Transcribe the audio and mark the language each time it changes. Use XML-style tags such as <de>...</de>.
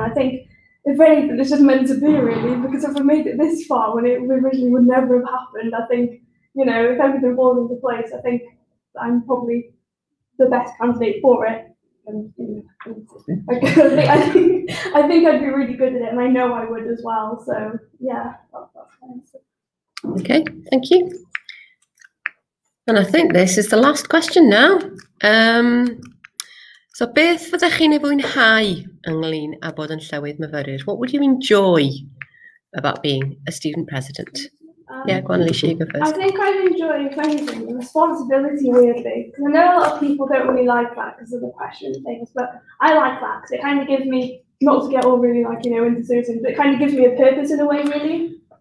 <en>And I think, if anything, it's just meant to be, really, because if I made it this far when it originally would never have happened, I think, you know, if everything falls into place, I think I'm probably the best candidate for it. I think I'd be really good at it, and I know I would as well. So yeah, that's fine. Okay, thank you. And I think this is the last question now.</en> <cy>So beth fyddech chi'n ei fwynhau ynglyn â bod yn llywydd myfyrwyr?</cy> <en>What would you enjoy about being a student president? Yeah, go on, Alicia, you go first. I think I'd enjoy, if anything, the responsibility, weirdly. Because I know a lot of people don't really like that because of the pressure and things, but I like that because it kind of gives me, not to get all really, like, you know, into certain, but it kind of gives me a purpose in a way, really.</en>